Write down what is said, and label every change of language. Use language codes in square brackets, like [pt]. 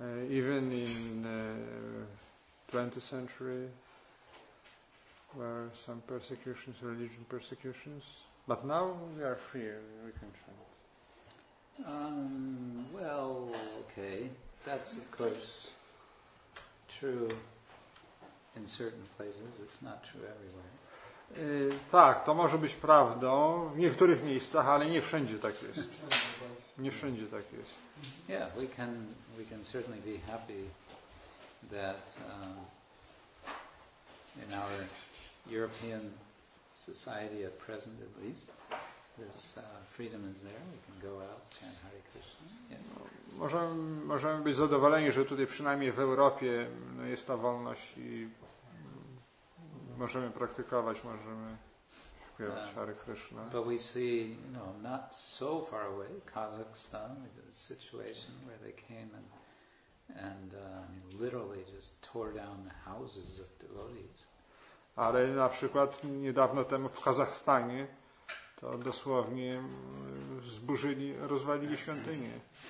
[en] Even in the 20th century were some persecutions, religion persecutions. But now we are free, we can chant. Well, okay. That's of course true. In certain places, it's not true everywhere. [pl] Tak, to może być prawdą w niektórych miejscach, ale nie wszędzie tak jest. Nie wszędzie tak jest. [en] Yeah, we can certainly be happy that in our European society at present, at least, this freedom is there. We can go out, chant Hare Krishna. Yeah. [pl] Możemy być zadowoleni, że tutaj przynajmniej w Europie no, jest ta wolność i możemy praktykować, możemy śpiewać Hare Krishna. [en] But we see, you know, not so far away, Kazakhstan, the situation where they came and literally just tore down the houses of devotees. [pl] Ale na przykład niedawno temu w Kazachstanie to dosłownie zburzyli, rozwalili świątynię.